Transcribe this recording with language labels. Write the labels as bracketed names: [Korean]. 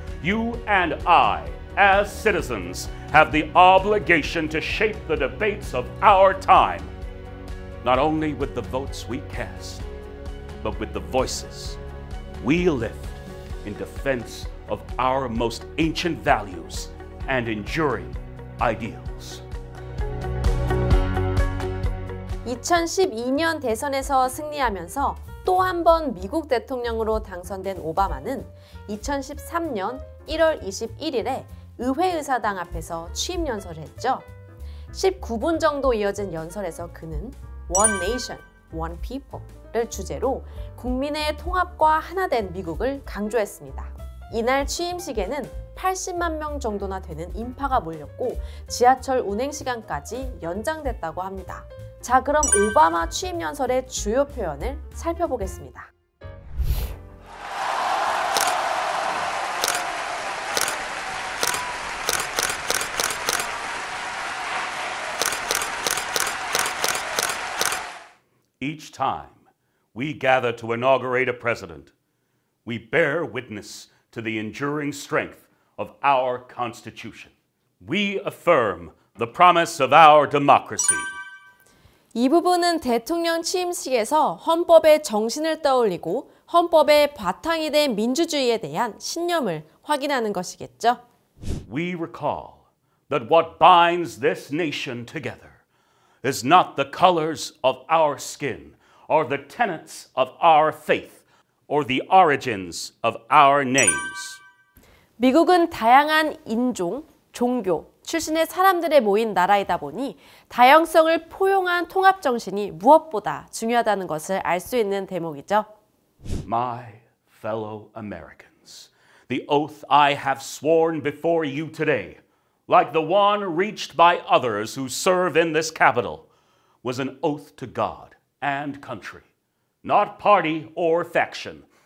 [English] You and I, as citizens, have the obligation to shape the debates of our time, not only with the votes we cast, but with the voices we lift in defense of our most ancient values and enduring ideals. [Korean] 2012년 대선에서 승리하면서 또 한 번 미국 대통령으로 당선된 오바마는 2013년 1월 21일에 의회의사당 앞에서 취임 연설을 했죠. 19분 정도 이어진 연설에서 그는 [English] One Nation, One People [Korean] 를 주제로 국민의 통합과 하나된 미국을 강조했습니다. 이날 취임식에는 80만 명 정도나 되는 인파가 몰렸고 지하철 운행 시간까지 연장됐다고 합니다. 자, 그럼 오바마 취임 연설의 주요 표현을 살펴보겠습니다. [English] Each time we gather to inaugurate a president, we bear witness to the enduring strength of our Constitution. We affirm the promise of our democracy. [Korean] 이 부분은 대통령 취임식에서 헌법의 정신을 떠올리고 헌법의 바탕이 된 민주주의에 대한 신념을 확인하는 것이겠죠. [English] We recall that what binds this nation together is not the colors of our skin, or the tenets of our faith, or the origins of our names. [Korean] 미국은 다양한 인종, 종교, 출신의 사람들의 모인 나라이다 보니 다양성을 포용한 통합 정신이 무엇보다 중요하다는 것을 알 수 있는 대목이죠. [English] My fellow Americans, the oath I have sworn before you today, like the one reached by others who serve in this Capitol, was an oath to God and country, not party or faction.